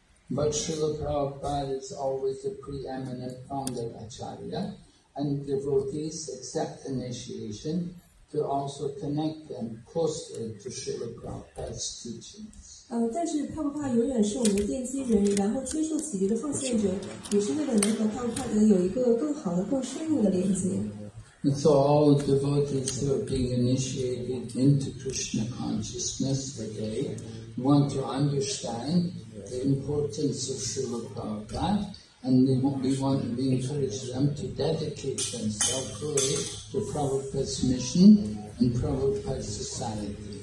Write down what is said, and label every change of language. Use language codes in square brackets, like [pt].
[en] But Srila Prabhupada is always the preeminent founder acharya, and devotees accept initiation to also connect them closely to Srila Prabhupada's teachings. [zh] 但是帕布帕永远是我们奠基人，然后接受洗涤的奉献者，也是为了能和帕布帕有一个更好的、更深入的连接。 [en] So all devotees who are being initiated into Krishna consciousness today want to understand the importance of Srila Prabhupada, and we encourage them to dedicate themselves fully to Prabhupada's mission and Prabhupada's society.